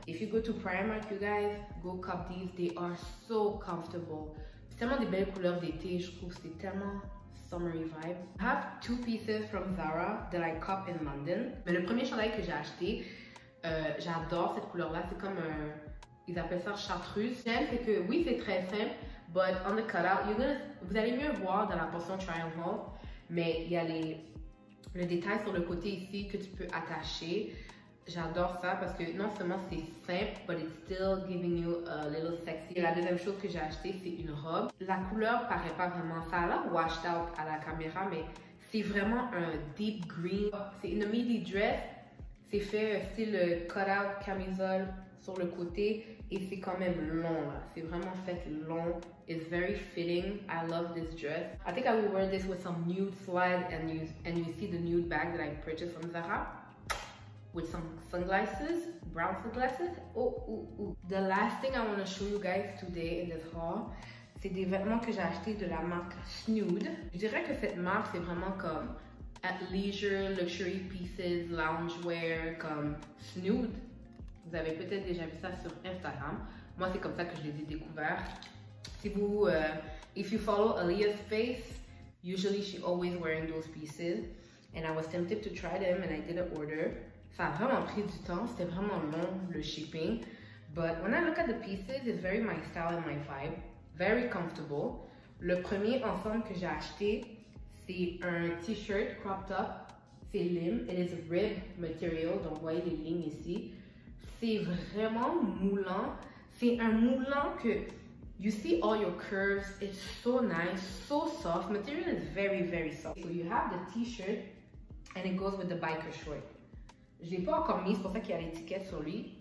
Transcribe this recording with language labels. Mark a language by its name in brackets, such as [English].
[English] If you go to Primark, you guys, go cop these, they are so comfortable. [French] C'est tellement des belles couleurs d'été, je trouve, c'est tellement... [English] summery vibe. I have two pieces from Zara that I cop in London. [French] Mais le premier chandail que j'ai acheté, J'adore cette couleur-là, c'est comme un... Ils appellent ça chartreuse. J'aime, c'est que oui, c'est très simple, [English] but on the cutout, [French] vous allez mieux voir dans la portion Triumph Hall, mais il y a le détail sur le côté ici que tu peux attacher. J'adore ça parce que non seulement c'est simple, [English] but it's still giving you a little sexy. [French] Et la deuxième chose que j'ai acheté, c'est une robe. La couleur paraît pas vraiment, ça a l'air washed out à la caméra, mais c'est vraiment un deep green. C'est une midi dress. C'est fait style cut-out camisole sur le côté et c'est quand même long là. C'est vraiment fait long. [English] It's very fitting. I love this dress. I think I will wear this with some nude slides and you see the nude bag that I purchased from Zara. With some sunglasses, brown sunglasses. Oh, oh, oh. The last thing I want to show you guys today in this haul, [French] c'est des vêtements que j'ai acheté de la marque Snood. Je dirais que cette marque, c'est vraiment comme athleisure, [English] luxury pieces, loungewear, [French] comme Snood. Vous avez peut-être déjà vu ça sur Instagram. Moi, c'est comme ça que je les ai découverts. Si vous, [English] if you follow Aaliyah's face, usually she always wearing those pieces. And I was tempted to try them and I did an order. [French] Ça a vraiment pris du temps, c'était vraiment long le shipping. [English] But when I look at the pieces, it's very my style and my vibe. Very comfortable. [French] Le premier ensemble que j'ai acheté, c'est un t-shirt cropped up. C'est lim, [English] it is rib material. [French] Donc vous voyez les lignes ici. C'est vraiment moulant. C'est un moulant que, [English] you see all your curves. It's so nice, so soft. Material is very, very soft. So you have the t-shirt and it goes with the biker short. [French] Je ne l'ai pas encore mis, c'est pour ça qu'il y a l'étiquette sur lui.